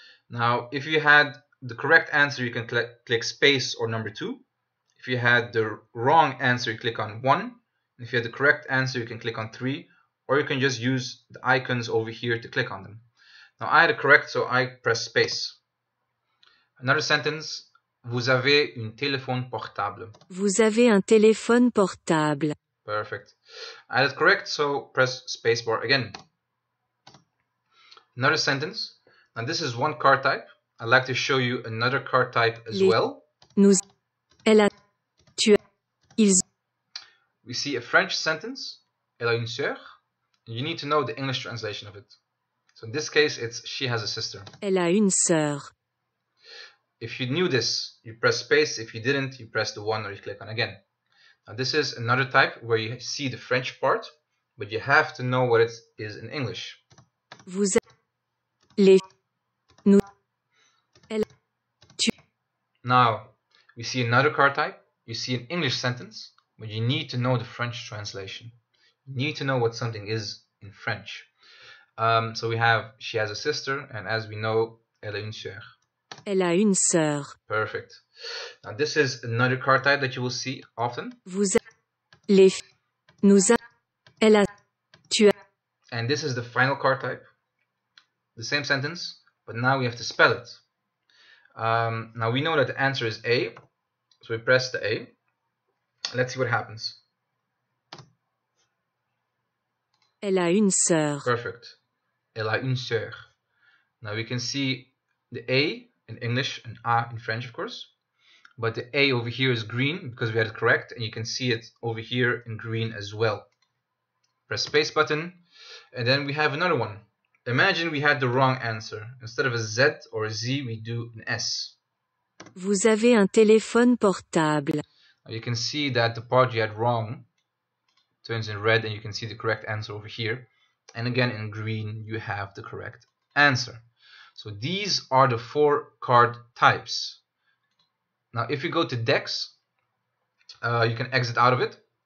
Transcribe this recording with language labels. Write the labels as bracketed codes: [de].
[en] Now, if you had the correct answer, you can click space or number 2. If you had the wrong answer, you click on 1. If you had the correct answer, you can click on 3. Or you can just use the icons over here to click on them. Now, I had a correct, so I press space. Another sentence. [fr] Vous avez une téléphone portable. Vous avez un téléphone portable. [en] Perfect. I had it correct, so press space bar again. Another sentence. Now, this is one car type. I'd like to show you another car type as well. [fr] Nous, elle a, tu as, ils. [en] We see a French sentence. [fr] Elle a une sœur. [en] You need to know the English translation of it. So in this case, it's she has a sister. [fr] Elle a une sœur. [en] If you knew this, you press space. If you didn't, you press the one or you click on again. Now, this is another type where you see the French part, but you have to know what it is in English. [fr] Vous êtes les nous elle tu. [en] Now, we see another car type. You see an English sentence, but you need to know the French translation. You need to know what something is in French. So we have she has a sister, and as we know, [fr] elle a une sœur. Elle a une sœur. [en] Perfect. Now this is another car type that you will see often. [fr] Vous avez les nous a elle a tu as. [en] And this is the final car type. The same sentence, but now we have to spell it. Now we know that the answer is A, so we press the A. Let's see what happens. [fr] Elle a une sœur. [en] Perfect. [fr] Elle a une sœur. [en] Now we can see the A in English and A in French, of course. But the A over here is green because we had it correct, and you can see it over here in green as well. Press space button, and then we have another one. Imagine we had the wrong answer. Instead of a Z or a Z, we do an S. [fr] Vous avez un téléphone portable. [en] Now you can see that the part you had wrong turns in red, and you can see the correct answer over here. And again, in green, you have the correct answer. So these are the four card types. Now, if you go to decks, you can exit out of it.